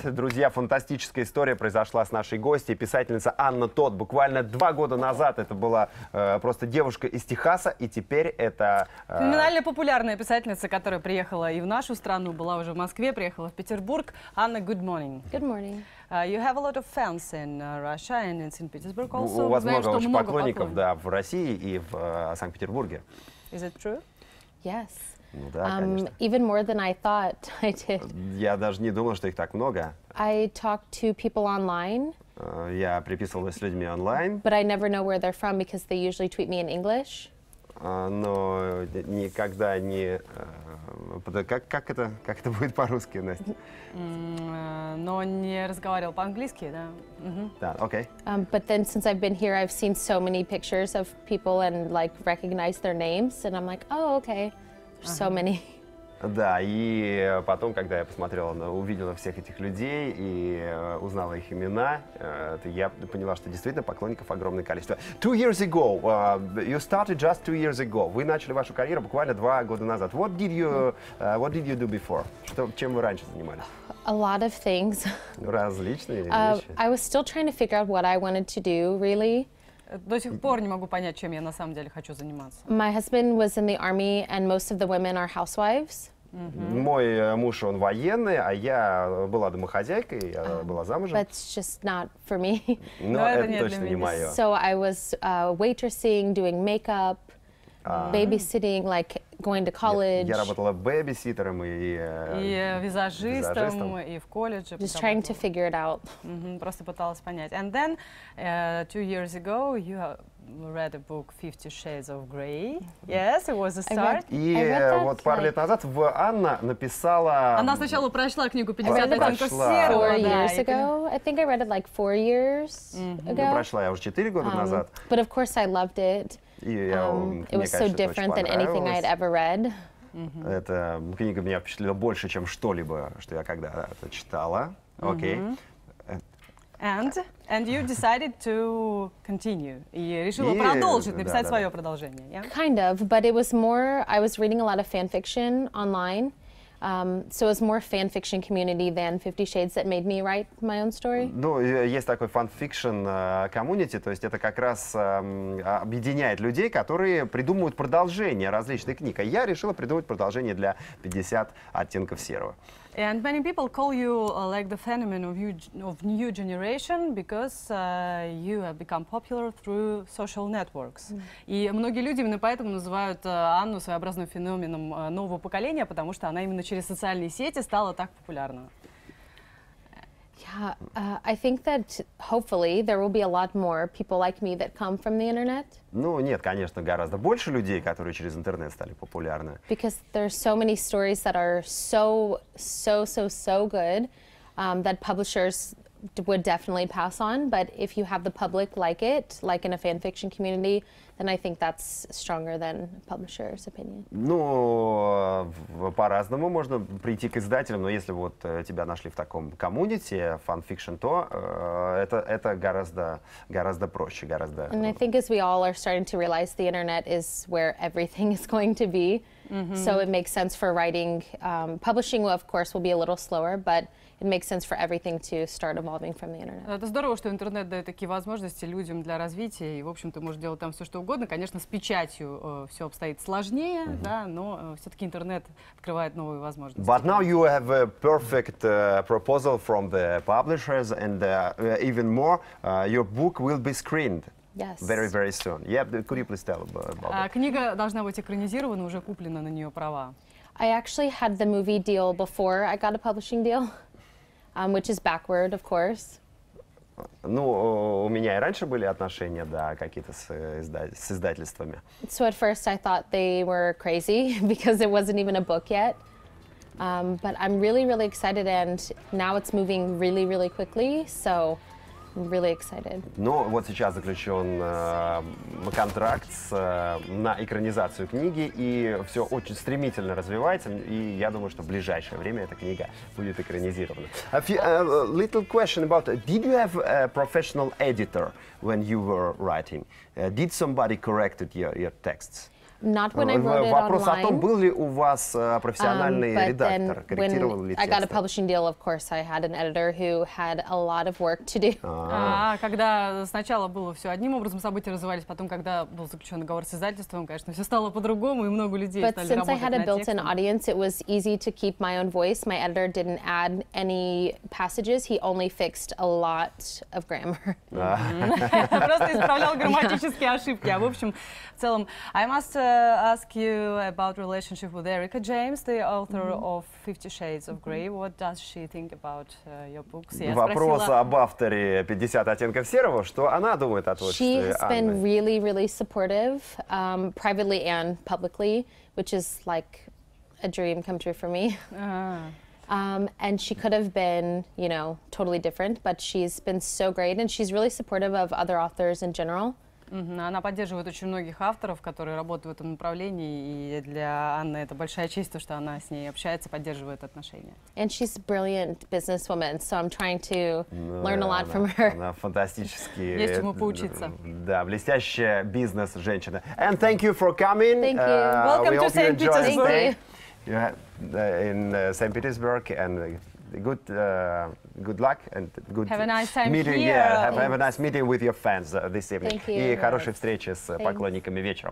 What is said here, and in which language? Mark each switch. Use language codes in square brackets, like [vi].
[ru] Друзья, фантастическая история произошла с нашей гостьей, писательница Анна Тодд. Буквально 2 года назад это была просто девушка из Техаса, и теперь это... Феноменально популярная писательница, которая приехала и в нашу страну, была уже в Москве, приехала в Петербург. [en] Анна, good morning. Good morning. You have a lot of fans in Russia and it's in Petersburg also. [ru] У вас много поклонников, да, в России и в Санкт-Петербурге. [en] Is it true? Yes. [ru] Да, [en] even more than I thought I did. [ru] Я даже не думал, что их так много. [en] I talked to people online. [ru] Я переписывался с людьми онлайн. [en] But I never know where they're from because they usually tweet me in English. [ru] Но никогда не... как это будет по-русски, Настя? Но не разговаривал по-английски, да? Да, окей. [en] But then since I've been here, I've seen so many pictures of people and like recognize their names, and I'm like, oh, okay. So many. [ru] Да, и потом, когда я посмотрела, увидела всех этих людей и узнала их имена, я поняла, что действительно поклонников огромное количество. [en] 2 years ago, you started just 2 years ago. [ru] Вы начали вашу карьеру буквально 2 года назад. [en] What did you do before? [ru] Чем вы раньше занимались? [en] A lot of things. [ru] Различные вещи. [en] I was still trying to figure out what I wanted to do, really. [ru] До сих пор не могу понять, чем я на самом деле хочу заниматься. [en] My husband was in the army, and most of the women are housewives. [ru] Мой муж, он военный, а я была домохозяйкой, я была замужем. [en] That's just not for me. [ru] Но это точно не мое. [en] So I was waitressing, doing makeup, babysitting, like going to college. [ru] Я работала бэбиситером и визажистом, и в колледже. [en] Just trying to figure it out. [ru] Просто пыталась понять. [en] And then 2 years ago you read a book 50 Shades of Grey. Yes, it was a start. [ru] И вот пару лет назад Анна написала... Она сначала прочла книгу 50 оттенков серого. [en] 4 years ago. I think I read it like 4 years ago. [ru] Прочла я уже 4 года назад. [en] But of course I loved it. It was so different than anything I had ever read. [ru] Эта книга меня впечатлила больше, чем что-либо, что я когда-то читала. Окей. [en] And you decided to continue. [ru] И решила продолжить, написать свое продолжение. [en] Yeah? Kind of, but it was more, I was reading a lot of fanfiction online. So it was more fanfiction community than 50 Shades that made me write my own story. [ru] Ну, есть такой фанфикшн комьюнити, то есть это как раз объединяет людей, которые придумывают продолжение различных книг. А я решила придумать продолжение для 50 оттенков серого. [en] And many people call you like the phenomenon of new generation because you have become popular through social networks. [ru] И многие люди именно поэтому называют Анну своеобразным феноменом нового поколения, потому что она именно через социальные сети стала так популярна. [en] Yeah, I think that hopefully there will be a lot more people like me that come from the internet. [ru] Ну нет, конечно, гораздо больше людей, которые через интернет стали популярны. [en] Because there are so many stories that are so good that publishers would definitely pass on. But if you have the public like it, like in a fanfiction community, then I think that's stronger than publisher's opinion. [ru] Ну, по-разному можно прийти к издателям, но если вот тебя нашли в таком комьюнити, фанфикшн, то это гораздо проще, гораздо... [en] And I think as we all are starting to realize, the internet is where everything is going to be. So it makes sense for writing. Publishing, of course, will be a little slower, but it makes sense for everything to start evolving from the internet. [ru] Это здорово, что интернет дает такие возможности людям для развития, и, в общем-то, можешь делать там все, что угодно. Конечно, с печатью все обстоит сложнее, да, но все-таки интернет открывает новые возможности. [en] But now you have a perfect proposal from the publishers, and even more, your book will be screened. Yes. Very, very soon. Yeah, could you please tell about it? [ru] Книга должна быть экранизирована, уже куплена на нее права. [en] I actually had the movie deal before I got a publishing deal, which is backward, of course. [ru] Ну, у меня и раньше были отношения, да, какие-то с издательствами. [en] So at first I thought they were crazy, because it wasn't even a book yet. But I'm really, really excited, and now it's moving really, really quickly, so... Really excited. [ru] Ну, вот сейчас заключен контракт на экранизацию книги, и все очень стремительно развивается, и я думаю, что в ближайшее время эта книга будет экранизирована. [en] A few, little question about, did you have a professional editor when you were writing? Did somebody correct your texts? Not when I wrote [ru] вопрос [en] it online, [ru] о том, был ли у вас профессиональный редактор, корректировал ли тексты. [en] I got a publishing deal, of course, I had an editor who had a lot of work to do. [ru] Когда сначала было все одним образом, события развивались, потом, когда был заключен договор с издательством, конечно, все стало по-другому, и много людей [en] But [ru] стали [en] since [ru] работать [en] I had a built-in audience, it was easy to keep my own voice. My editor didn't add any passages, he only fixed a lot of grammar. [ru] Просто исправлял грамматические ошибки, а в общем, в целом, [en] I must ask you about relationship with Erica James, the author mm-hmm. of 50 Shades of Grey. Mm-hmm. What does she think about your books? [ru] Я Вопрос спросила... об авторе 50 оттенков серого. Что она думает о творчестве [en] She's [ru] Анны? [en] She's been really, really supportive, privately and publicly, which is like a dream come true for me. And she could have been, you know, totally different, but she's been so great, and she's really supportive of other authors in general. [ru] Она поддерживает очень многих авторов, которые работают в этом направлении, и для Анны это большая честь, что она с ней общается, поддерживает отношения. [en] And she's a brilliant businesswoman, so I'm trying to learn a lot from her. [ru] Она фантастически. Есть чему поучиться. Да, блестящая бизнес-женщина. [en] And thank you for coming. Thank you. Welcome to St. Petersburg. You in St. Petersburg and good good luck and good have a nice time meeting here. Yeah, have a nice meeting with your fans this evening. Thank you. [ru] И хорошей встречи с поклонниками вечером.